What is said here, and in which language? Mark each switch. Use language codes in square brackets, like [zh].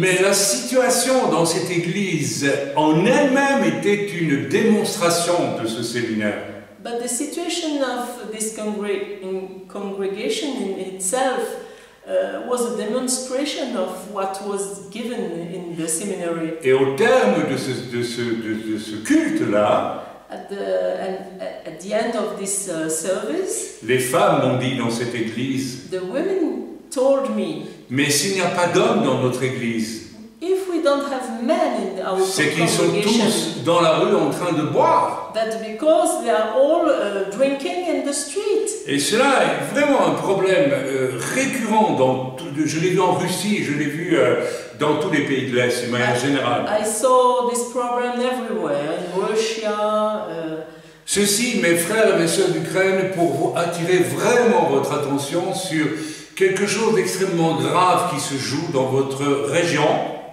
[fr] Mais la situation dans cette église en elle-même était une démonstration de ce séminaire. [en] But the situation of this congregation in itself was a demonstration of what was given in the seminary. [fr] Et au terme de ce culte-là, [en] at the end of this service, [fr] les femmes m'ont dit dans cette église, [en] the women told me, [fr] mais s'il n'y a pas d'hommes dans notre église, [en] if we don't have men in our [fr] c'est qu'ils sont tous dans la rue en train de boire. [en] That because they are all drinking in the street. [fr] Et cela est vraiment un problème récurrent dans tout, je l'ai vu en Russie, je l'ai vu dans tous les pays de l'Est de manière générale. [en] I saw this problem everywhere, in Russia. [fr] Ceci, mes frères et mes sœurs d'Ukraine, pour vous attirer vraiment votre attention sur quelque chose d'extrêmement grave qui se joue dans votre région.